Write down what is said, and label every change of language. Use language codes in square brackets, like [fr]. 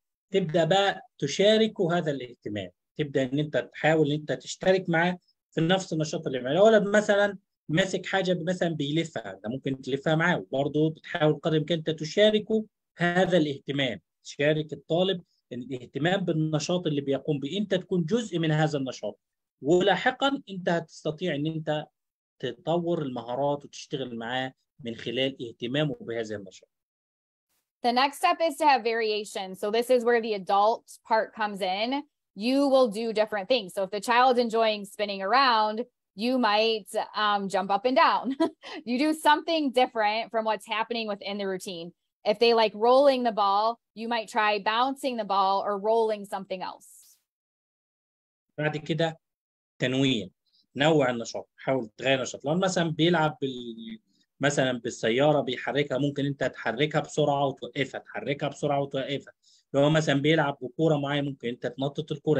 [ar] تبدأ بقى تشاركه هذا الاهتمام. تبدأ ان انت تحاول ان انت تشترك معه في نفس النشاط اللي معه. الولد مثلا ماسك حاجة مثلا بيلفها. ده ممكن تلفها معه. وبرضه بتحاول قدر الامكان انت تشاركه هذا الاهتمام. تشارك الطالب الاهتمام بالنشاط اللي بيقوم به. انت تكون جزء من هذا النشاط. ولاحقا انت هتستطيع ان انت تطور المهارات وتشتغل معاه من خلال اهتمامه بهذا النشاط. [en] The next step is to have variation. So this is where the adult part comes in. You will do different things. So if the child's enjoying spinning around, you might jump up and down. You do something different from what's happening within the routine. If they like rolling the ball, you might try bouncing the ball or rolling something else. [ar] بعد كده تنويع. نوع النشاط، حاول تغير النشاط. لو مثلا بيلعب مثلا بالسيارة بيحركها، ممكن انت تحركها بسرعة وتوقفها، تحركها بسرعة وتوقفها. لو مثلا بيلعب بكورة معايا، ممكن انت تنطط الكورة.